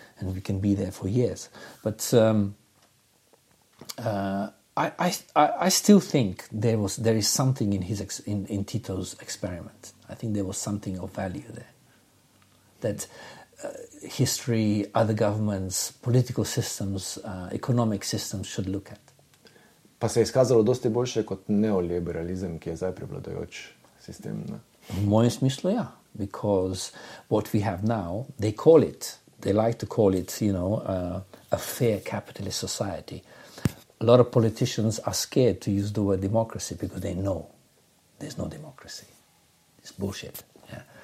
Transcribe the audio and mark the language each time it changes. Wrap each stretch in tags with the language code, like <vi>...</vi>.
<en>And we can be there for years. But I still think there is something in his in Tito's experiment. I think there was something of value there. That history, other governments, political systems, economic systems should look at.</en> <sl>Pa se je izkazalo dosti boljše kot neoliberalizem, ki je zdaj prevladajoč sistem, ne? V mojem smislu, ja.</sl> <en>Because what we have now, they like to call it, you know, a fair capitalist society. A lot of politicians are scared to use the word democracy because they know there's no democracy. It's bullshit. Yeah.</en>